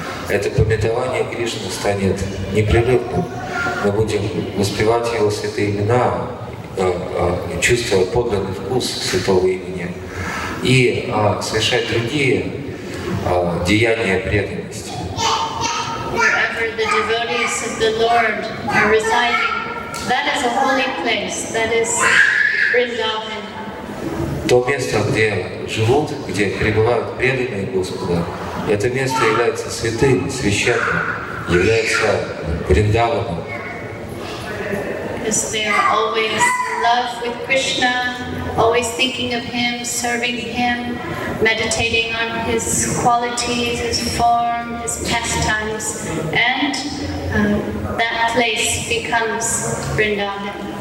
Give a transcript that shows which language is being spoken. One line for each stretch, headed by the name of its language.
Russian: Это памятование Кришны станет непрерывным. Мы будем воспевать Его святые имена, чувствовать подлинный вкус святого имени и совершать другие деяния преданности.
English: Wherever the devotees of the Lord are residing, that is a holy place, that is Vrindavan.
Russian: То место, где живут, где пребывают преданные Господа, это место является святым, священным, является Вриндаваном.
English: Because they are always in love with Krishna, always thinking of Him, serving Him, meditating on His qualities, His form, His pastimes, and that place becomes Vrindavan.